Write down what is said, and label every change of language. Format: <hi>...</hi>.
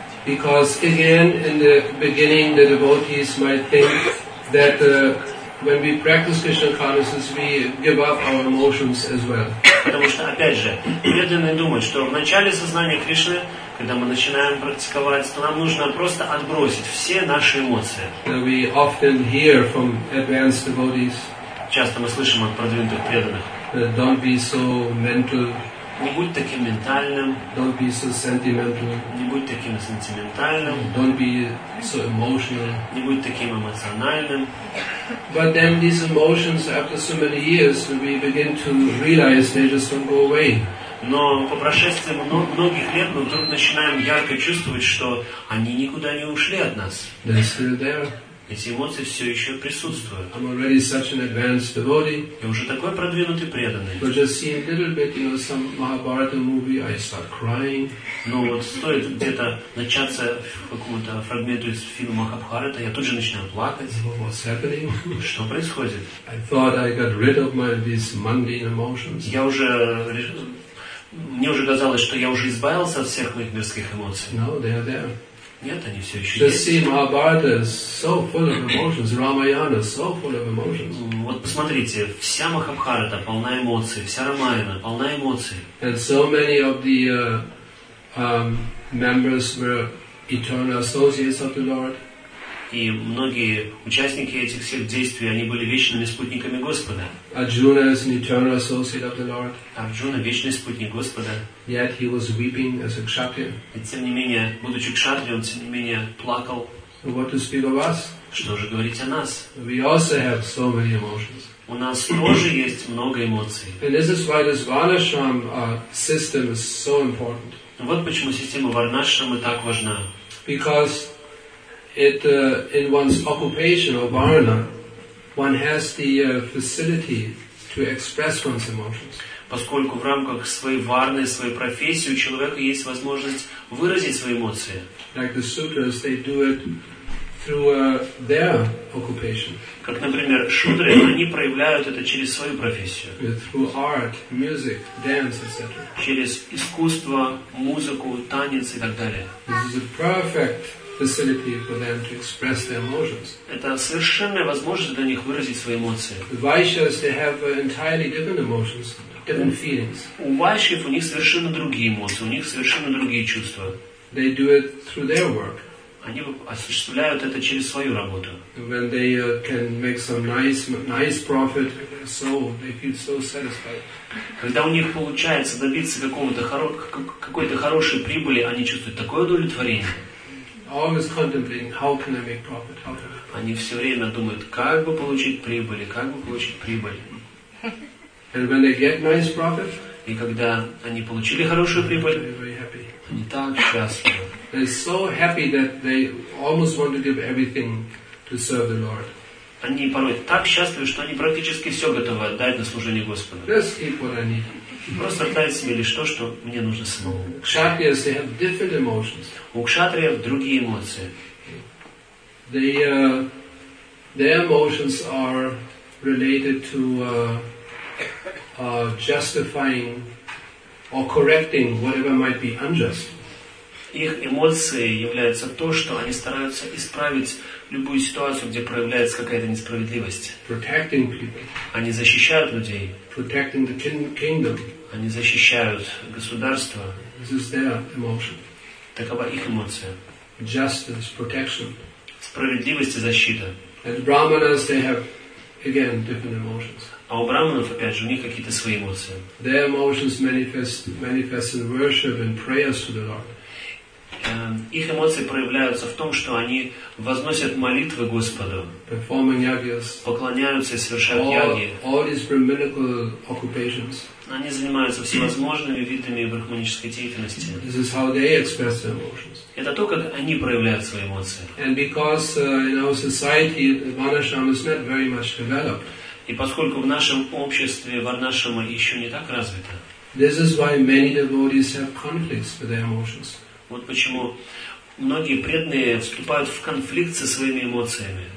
<en>Because again, in the beginning, the devotees might think that when we practice Krishna consciousness, we give up our emotions as well.</en> <ru>Потому что, опять же, преданные думают, что в начале сознания Кришны, когда мы начинаем практиковать, то нам нужно просто отбросить все наши эмоции.</ru> <en>We often hear from advanced devotees.</en> <ru>Часто мы слышим от продвинутых преданных.</ru> <en>Don't be so mental.</en> <ru>Не будь таким ментальным.</ru> <en>Don't be so sentimental.</en> <ru>Не будь таким сентиментальным.</ru> <en>Don't be so emotional.</en> <ru>Не будь таким эмоциональным.</ru> <en>But then these emotions, after so many years, we begin to realize they just don't go away.</en> <ru>Но по прошествии многих лет мы вдруг начинаем ярко чувствовать, что они никуда не ушли от нас.</ru> <en>They're still there.</en> <ru>Эти эмоции все еще присутствуют.</ru> <en>I'm already such an advanced devotee.</en> <ru>Я уже такой продвинутый преданный.</ru> <en>But just seeing a little bit, you know, some Mahabharata movie, I start crying.</en> <ru>Но вот стоит где-то начаться в каком-то фрагменту из фильма Махабхарата, я тут же начинаю плакать.</ru> <en>What's happening?</en> <ru>Что происходит?</ru> <en>I thought I got rid of my these mundane emotions.</en> <ru>Я уже мне уже казалось, что я уже избавился от всех моих мирских эмоций.</ru> <en>No, they are there.</en> <ru>Нет, они все еще</ru> <en>the</en> <ru>есть.</ru> <en>Just see Mahabharata is so full of emotions. Ramayana is so full of emotions.</en> <ru>Вот посмотрите, вся Махабхарата полна эмоций, вся Рамаяна полна эмоций.</ru> <en>And so many of the members were eternal associates of the Lord.</en> <ru>И многие участники этих всех действий, они были вечными спутниками Господа.</ru> <en>Arjuna is an eternal associate of the Lord.</en> <ru>Арджуна вечный спутник Господа.</ru> <en>Yet he was weeping as a kshatriya.</en> <ru>И тем не менее, будучи кшатрией, он тем не менее плакал.</ru> <en>What to speak of us?</en> <ru>Что же говорить о нас?</ru> <en>We also have so many emotions.</en> <ru>У нас тоже есть много эмоций.</ru> <en>And this is why this Varnashram system is so important.</en> <ru>Вот почему система Варнашрамы так важна.</ru> <en>Because it in one's occupation or varna, one has the facility to express one's emotions.</en> <ru>Поскольку в рамках своей варны, своей профессии у человека есть возможность выразить свои эмоции.</ru> <en>Like the sutras, they do it through their occupation.</en> <ru>Как, например, шудры, они проявляют это через свою профессию.</ru> <en>Through art, music, dance, etc.</en> <ru>Через искусство, музыку, танец и так далее.</ru> <en>This is a perfect facility for them to express their emotions.</en> <ru>Это совершенная возможность для них выразить свои эмоции.</ru> <en>The Vaishyas, they have entirely different emotions, different feelings.</en> <ru>У Вайшьев у них совершенно другие эмоции, у них совершенно другие чувства.</ru> <en>They do it through their work.</en> <ru>Они осуществляют это через свою работу.</ru> <en>When they can make some nice profit, so they feel so satisfied.</en> <ru>Когда у них получается добиться какой-то хорошей прибыли, они чувствуют такое удовлетворение.</ru> <en>Always contemplating how can I make profit. How can I...</en> <ru>Они все время думают, как бы получить прибыль, как бы получить прибыль.</ru> <en>And when they get nice profit,</en> <ru>и когда они получили хорошую прибыль,</ru> <en>they're very happy.</en> <ru>Они так счастливы.</ru> <en>They're so happy that they almost want to give everything to serve the Lord.</en> <ru>Они порой так счастливы, что они практически все готовы отдать на служение Господу.</ru> <en>Just keep what I need.</en> <ru>Просто дать себе лишь то, что мне нужно самому.</ru> <en>Кшатриас, they have different emotions.</en> <ru>У кшатриев другие эмоции.</ru> <en>They, their emotions are related to justifying or correcting whatever might be unjust.</en> <ru>Их эмоции являются то, что они стараются исправить любую ситуацию, где проявляется какая-то несправедливость.</ru> <en>Protecting people.</en> <ru>Они защищают людей.</ru> <en>Protecting the kingdom.</en> <ru>Они защищают государство.</ru> <en>This is their emotion.</en> <ru>Такова их эмоция.</ru> <en>Justice, protection.</en> <ru>Справедливость и защита.</ru> <en>And brahmanas, they have, again, different emotions.</en> <ru>А у брахманов, опять же, у них какие-то свои эмоции.</ru> <en>Their emotions manifest in worship and prayers to the Lord.</en> <ru>Их эмоции проявляются в том, что они возносят молитвы Господу,</ru> <en>yagyas,</en> <ru>поклоняются и совершают яги.</ru> <en>All these brahminical occupations.</en> <ru>Они занимаются всевозможными видами брахманической деятельности.</ru> <en>This is how they express their emotions.</en> <ru>Это то, как они проявляют свои эмоции.</ru> <en>And because in our society Varnashrama is not very much developed.</en> <ru>И поскольку в нашем обществе Варнашрама еще не так развита.</ru> <en>This is why many devotees have conflicts with their emotions.</en> <ru>Вот почему многие преданные вступают в конфликт со своими эмоциями.</ru>